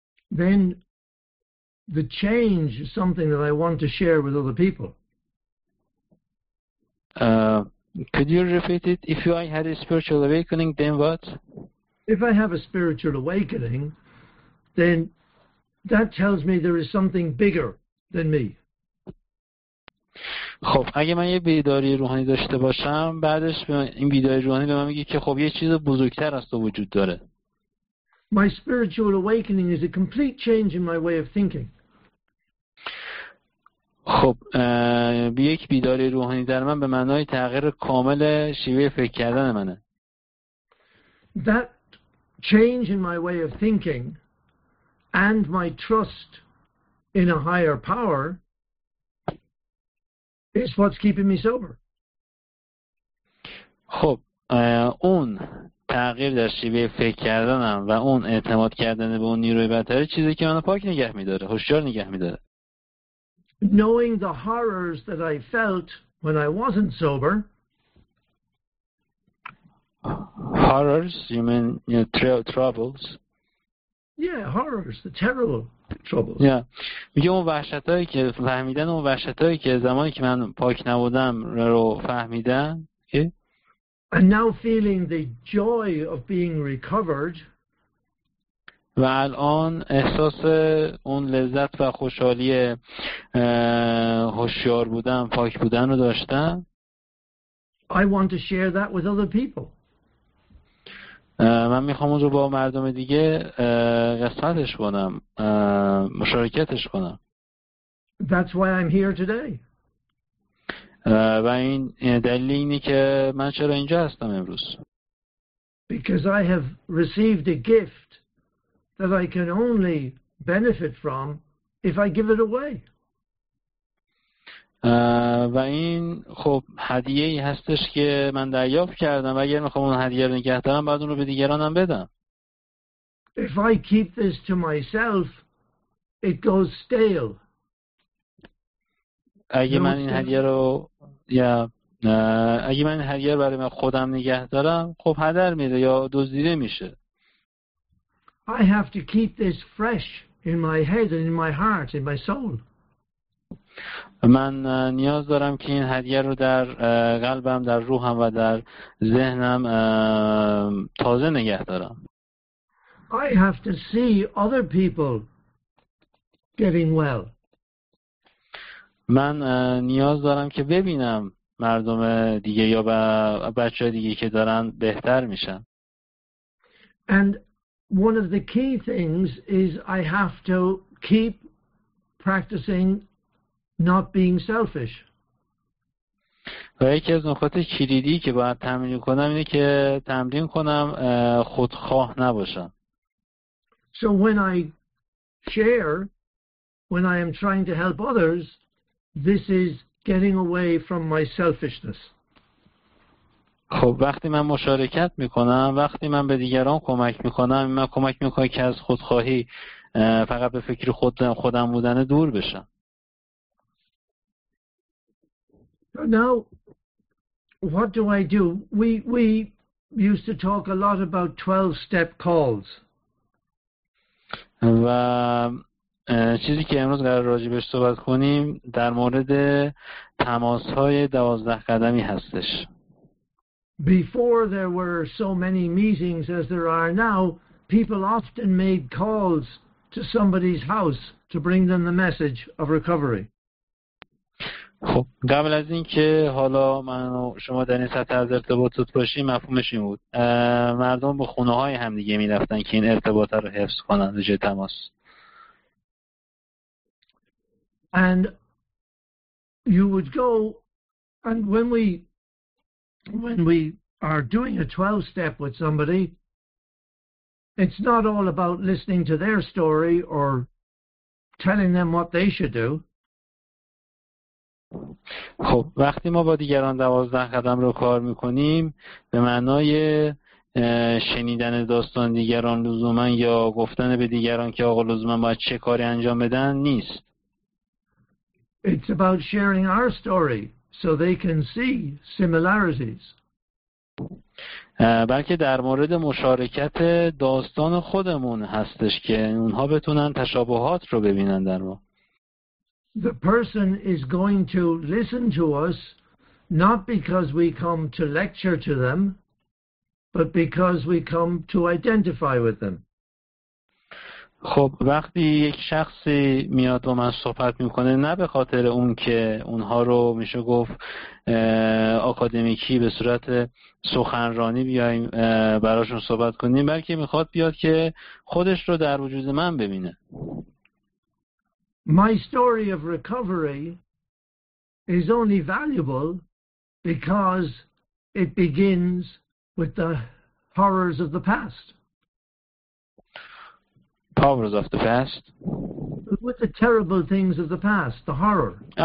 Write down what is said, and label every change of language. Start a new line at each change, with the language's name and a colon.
English: then the change is something that I want to share with other people. Could you repeat it? If you, I had a spiritual awakening, then what? If I have a spiritual awakening, then that tells me there is something bigger than me.
Persian: خب اگه من یه بیداری روحانی داشته باشم بعدش این بیداری روحانی به من میگه که خب یه چیز بزرگتر از تو وجود داره.
English: My spiritual awakening is a complete change in my way of thinking.
Persian: خب یک بیداری روحانی در من به معنای تغییر کامل شیوه فکر کردن منه.
English: That change in my way of thinking and my trust in a higher power is what's keeping me sober.
Persian: خب اون تغییر در شیوه فکر کردنم و اون اعتماد کردن به اون نیروی بهتره چیزی که منو پاک نگه میداره، هوشیار نگه میداره.
English: Knowing the horrors that I felt when I wasn't sober. Horrors? You mean troubles? Yeah, horrors, the terrible troubles. Yeah.
Persian: میگه اون وحشتایی که فهمیدن، اون وحشتایی که زمانی که من پاک نبودم رو فهمیدن.
English: And now feeling the joy of being recovered.
Persian: و الان احساس اون لذت و خوشحالی هوشیار بودن، پاک بودن رو داشتم.
English: I want to share that with other people.
Persian: من میخوام اون رو با مردم دیگه قسمتش کنم، مشارکتش کنم.
English: That's why I'm here today.
Persian: و این دلیل اینه که من چرا اینجا هستم امروز.
English: Because I have received a gift that I can only benefit from if I give it away.
Persian: و این خب هدیه ای هستش که من دریافت کردم و اگر میخوام اون هدیه رو نگه دارم بعد اون رو به دیگرانم بدم.
English: If I keep this to myself, it goes stale.
Persian: اگه من این هدیه رو یا اگه من این هدیه رو برای من خودم نگه دارم خب هدر میره یا دزدیده میشه.
English: I have to keep this fresh in my head and in my heart, in my soul.
Persian: من نیاز دارم که این هدیه رو در قلبم، در روحم و در ذهنم تازه نگه دارم.
English: I have to see other people getting well.
Persian: من نیاز دارم که ببینم مردم دیگه یا بچه دیگه که دارن بهتر میشن.
English: And one of the key things is I have to keep practicing not being selfish.
Persian: و یکی از نکات کلیدی که باید تمرین کنم اینه که تمرین کنم خودخواه نباشم.
English: So when I share, when I am trying to help others, this is getting away from my selfishness.
Persian: خب وقتی من مشارکت میکنم، وقتی من به دیگران کمک میکنم، من کمک میکنم که از خودخواهی فقط به فکر خودم بودن دور بشم.
English: Now, what do I do? We used to talk a lot about 12-step calls.
Persian: و چیزی که امروز قرار راجبش صحبت کنیم در مورد تماس‌های 12 قدمی هستش.
English: Before there were so many meetings as there are now, people often made calls to somebody's house to bring them the message of recovery.
Persian: خب قبل از اینکه حالا من و شما در این سطح از ارتباطات باشیم مفهومش این بود. مردم به خونه های همدیگه می رفتن که این ارتباط رو حفظ کنن، رجوع تماس.
English: And you would go, and when we are doing a 12-step with somebody, it's not all about listening to their story or telling them what they should do.
Persian: خب وقتی ما با دیگران 12 قدم رو کار میکنیم به معنای شنیدن داستان دیگران لزومن یا گفتن به دیگران که آقا لزومن باید چه کاری انجام بدن نیست.
English: It's about sharing our story so they can see similarities.
Persian: بلکه در مورد مشارکت داستان خودمون هستش که اونها بتونن تشابهات رو ببینن در ما.
English: The person is going to listen to us not because we come to lecture to them, but because we come to identify with them.
Persian: خب وقتی یک شخصی میاد با من صحبت میکنه نه به خاطر اون که اونها رو میشه گفت آکادمیکی به صورت سخنرانی بیایم براشون صحبت کنیم، بلکه میخواد بیاد که خودش رو در وجود من ببینه.
English: My story of recovery is only valuable because it begins with the horrors of the past. Powers of the past. With the terrible things of the past, the horror.